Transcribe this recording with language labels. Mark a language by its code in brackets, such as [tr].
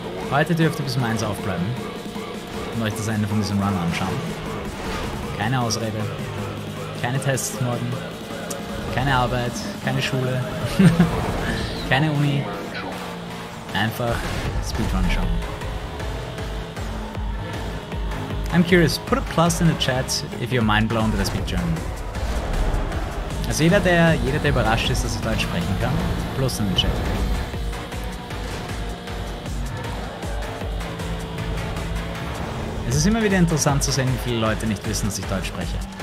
[de] Heute dürft ihr bis um 1 aufbleiben und euch das Ende von diesem Run anschauen. Keine Ausrede. Keine Tests morgen. Keine Arbeit, keine Schule, keine Uni, einfach Speedrun schauen. [en] I'm curious, put a plus in the chat if you're mind blown that I speak German. [de] Also jeder, der überrascht ist, dass ich Deutsch sprechen kann, plus in den Chat. Es ist immer wieder interessant zu sehen, wie viele Leute nicht wissen, dass ich Deutsch spreche.